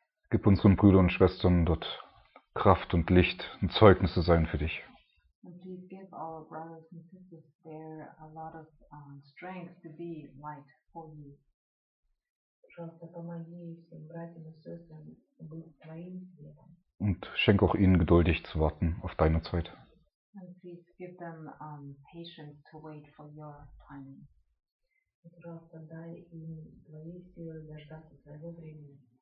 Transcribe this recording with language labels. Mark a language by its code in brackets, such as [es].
[de] Gib unseren Brüdern und Schwestern dort Kraft und Licht und Zeugnisse sein für dich. [en] And please give our brothers and sisters there a lot of strength to be light for you. [ru] Пожалуйста, помоги всем братьям и сестрам быть твоим светом. [de] Und schenk auch ihnen geduldig zu warten auf deine Zeit. [en] And please give them patience to wait for your timing. [ru] Пожалуйста, дай им твои силы дождаться своего времени.